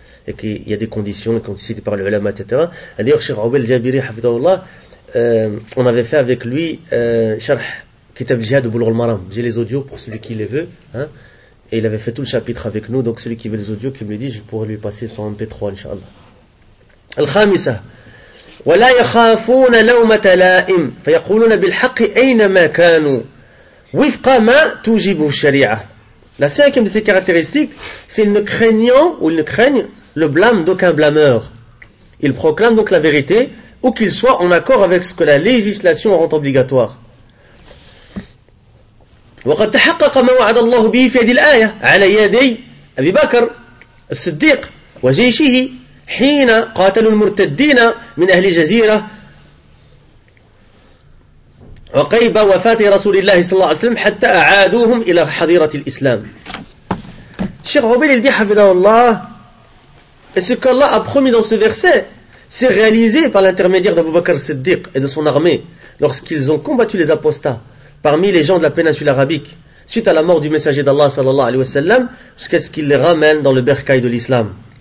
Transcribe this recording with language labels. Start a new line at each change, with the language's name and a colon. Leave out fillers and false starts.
French: Et qu'il y a des conditions qui sont décidées par les ulama, etc. D'ailleurs, Cheikh Awel Jabiri, hafidhahullah, on avait fait avec lui Sharh Kitab Jihad de Boulour al-Maram. J'ai les audios pour celui qui les veut. Hein, et il avait fait tout le chapitre avec nous. Donc celui qui veut les audios, qui me le dit, je pourrais lui passer son MP3, Inch'Allah.
Arabic: Al-Khamisa. ولا يخافون لومة لائم فيقولون بالحق أينما كانوا وفق ما توجب الشريعة.
French: La cinquième de ces caractéristiques, c'est ne craignent le blâme d'aucun blâmeur. Ils proclament donc la vérité où qu'ils soient en accord avec ce que la législation rend obligatoire.
Arabic: وقد تحقق ما وعد الله به في هذه الآية على يدي أبي بكر الصديق وجيشه حين قاتلوا المرتدين من أهل الجزيرة وقيب وفاة رسول الله صلى الله عليه وسلم حتى أعادوهم إلى حضيرة الإسلام.
French: Cheikh Obel il dit, حفظه الله, et ce qu'Allah a promis dans ce verset s'est réalisé par l'intermédiaire d'Abu Bakr Siddiq et de son armée lorsqu'ils ont combattu les apostats parmi les gens de la péninsule arabique suite à la mort du messager d'Allah صلى الله عليه وسلم jusqu'à ce qu'il les ramène dans le bercail de l'islam.